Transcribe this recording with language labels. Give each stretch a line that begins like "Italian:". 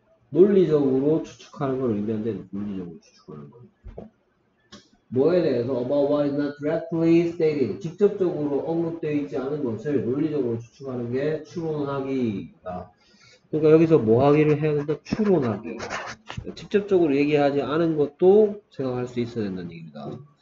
Korean: 논리적으로 추측하는 걸 의미하는데, 논리적으로 추측하는 거. 뭐에 대해서,
English: about what is not directly stated.
Korean: 직접적으로 언급되어 있지 않은 것을 논리적으로 추측하는 게 추론하기다. 그러니까 여기서 뭐 하기를 해야 된다? 추론하기. 직접적으로 얘기하지 않은 것도 생각할 수 있어야 된다는 얘기입니다.